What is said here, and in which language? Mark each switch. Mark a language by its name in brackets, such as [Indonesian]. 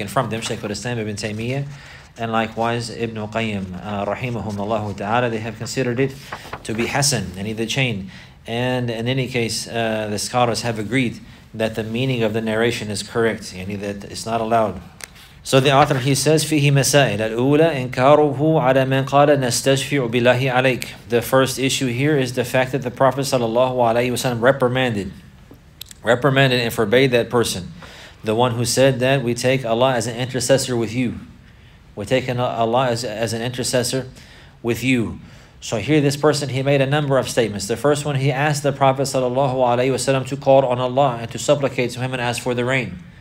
[English] And from them, Shaykh al-Islam ibn Taymiyyah, and likewise Ibn Qayyim, rahimahum Allahu ta'ala, they have considered it to be hasan, any of the chain. And in any case, the scholars have agreed that the meaning of the narration is correct, yani that it's not allowed. So the author, he says, [Arabic] فِيهِ مَسَائِلَ الْأُولَى إِنْكَارُهُ عَلَى مَنْ قَالَ نَسْتَشْفِعُ بِاللَّهِ عَلَيْكَ. [English] The first issue here is the fact that the Prophet sallallahu alayhi wa sallam reprimanded and forbade that person, the one who said that we take Allah as an intercessor with you. We take Allah as an intercessor with you. So here this person, he made a number of statements. The first one, he asked the Prophet sallallahu alaihi wasallam to call on Allah and to supplicate to him and ask for the rain.